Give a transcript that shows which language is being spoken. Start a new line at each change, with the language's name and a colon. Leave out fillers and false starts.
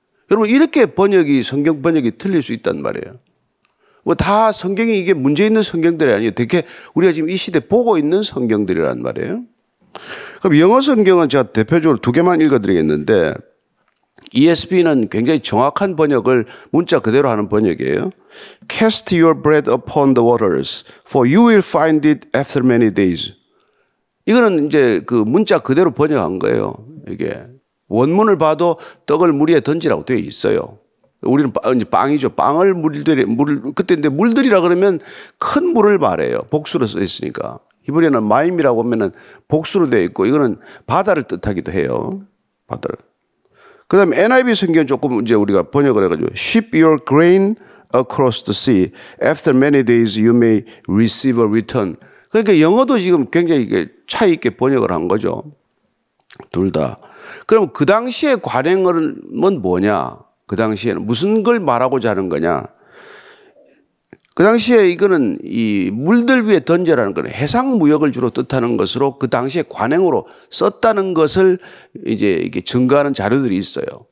Korean: 여러분 이렇게 번역이 성경 번역이 틀릴 수 있단 말이에요. 뭐 다 성경이 이게 문제 있는 성경들이 아니에요. 대개 우리가 지금 이 시대 보고 있는 성경들이란 말이에요. 그럼 영어 성경은 제가 대표적으로 두 개만 읽어드리겠는데 ESV는 굉장히 정확한 번역을 문자 그대로 하는 번역이에요.
English: Cast your bread upon the waters, for you will find it after many days.
Korean: 이거는 이제 그 문자 그대로 번역한 거예요. 이게 원문을 봐도 떡을 물에 던지라고 되어 있어요. 우리는 빵이죠. 빵을 물들이 물 그때인데 물들이라 그러면 큰 물을 말해요. 복수로 써 있으니까 히브리어는 마임이라고 하면은 복수로 되어 있고 이거는 바다를 뜻하기도 해요. 바다를. 그다음 NIV 성경 조금 이제 우리가 번역을 해가지고
English: Ship your grain across the sea. After many days, you may receive a return.
Korean: 그러니까 영어도 지금 굉장히 차이 있게 번역을 한 거죠. 둘 다. 그럼 그 당시의 관행어는 뭐냐? 그 당시에는 무슨 걸 말하고자 하는 거냐? 그 당시에 이거는 이 물들 위에 던져라는 건 해상 무역을 주로 뜻하는 것으로 그 당시에 관행으로 썼다는 것을 이제 이게 증거하는 자료들이 있어요.